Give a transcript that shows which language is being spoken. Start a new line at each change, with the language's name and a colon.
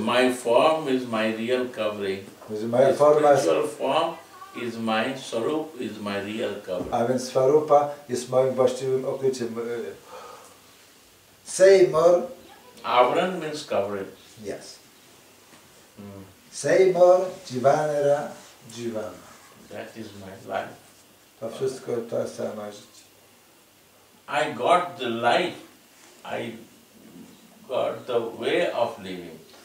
English: My form is my real covering.
Polish: Moja forma jest...
English: Spiritual form is my swarup, is my real covering.
Polish: A więc swarupa jest moim właściwym okryciem.
English: Say more... Avran means covering. Yes. Say more jivanera jivana. That is my life.
Polish: To wszystko, to jest całe moje życie.
English: I got the life, I got the way of living.